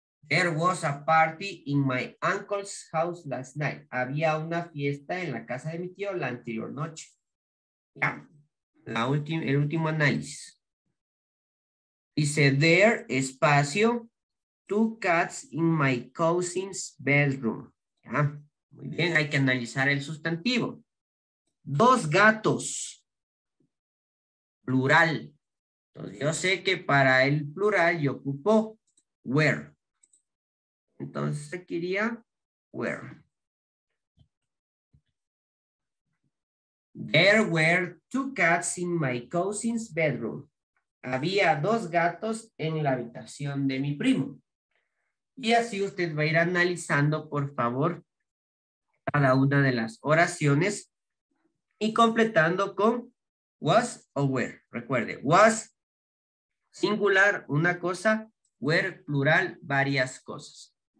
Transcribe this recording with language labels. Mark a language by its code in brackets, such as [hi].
[en] There was a party in my uncle's house last night. [es] Había una fiesta en la casa de mi tío la anterior noche. Ya. La última, el último análisis. Dice, there, espacio, [en] two cats in my cousin's bedroom. [es] Ya. Muy bien, hay que analizar el sustantivo. Dos gatos, plural. Entonces yo sé que para el plural yo ocupo were. Entonces aquí iría were. [en] There were two cats in my cousin's bedroom. [es] Había dos gatos en la habitación de mi primo. Y así usted va a ir analizando, por favor, cada una de las oraciones. Y completando con was o were. Recuerde, was singular una cosa, were plural varias cosas.